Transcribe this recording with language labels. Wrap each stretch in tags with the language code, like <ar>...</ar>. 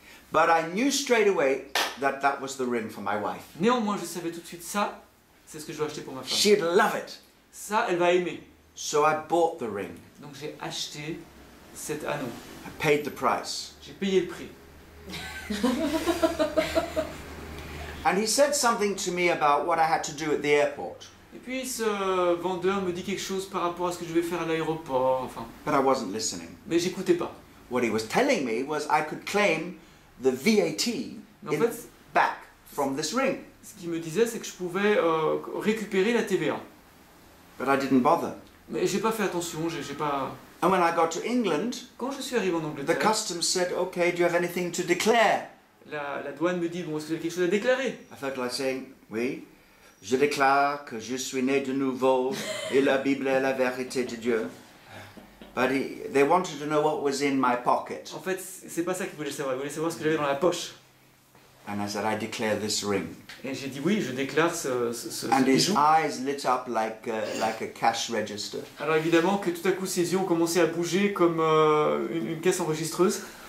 <en>But I knew straight away that was the ring for my wife.</en> <fr>Néanmoins, je savais tout de suite ça, c'est ce que je vais acheter pour ma femme.</fr> <en>She'd love it.</en> <fr>Ça, elle va aimer.</fr> <en>So I bought the ring.</en> <fr>Donc j'ai acheté cet anneau.</fr> <en>I paid the price.</en> <fr>J'ai payé le prix.</fr> <en>And he said something to me about what I had to do at the airport.</en> <fr>Et puis ce vendeur me dit quelque chose par rapport à ce que je vais faire à l'aéroport, enfin.</fr> <en>But I wasn't listening.</en> <fr>Mais j'écoutais pas.</fr> <en>What he was telling me was I could claim the VAT back from this ring.</en> <fr>Ce qu'il me disait, c'est que je pouvais récupérer la TVA.</fr> <en>But I didn't bother.</en> <fr>Mais j'ai pas fait attention, j'ai pas.</fr> <en>And when I got to England,</en> <fr>quand je suis arrivé en Angleterre,</fr> <en>the customs said, okay, do you have anything to declare?</en> <fr>La douane me dit, bon, est-ce que vous avez quelque chose à déclarer?</fr> <en>I felt like saying,</en> <fr>oui, je déclare que je suis né de nouveau et la Bible est la vérité de Dieu.</fr> <en>But they wanted to know what was in my pocket.</en> <fr>En fait, c'est pas ça qu'ils voulaient savoir. Ils voulaient savoir ce que j'avais dans la poche.</fr> <en>And I said, I declare this ring.</en> <fr>Et j'ai dit oui, je déclare ce</fr> <en>And</en> <fr>ce</fr> <en>his</en> <fr>bijou.</fr> <en>Eyes lit up like a cash register.</en> <fr>Alors évidemment que tout à coup ses yeux ont commencé à bouger comme une caisse enregistreuse.</fr>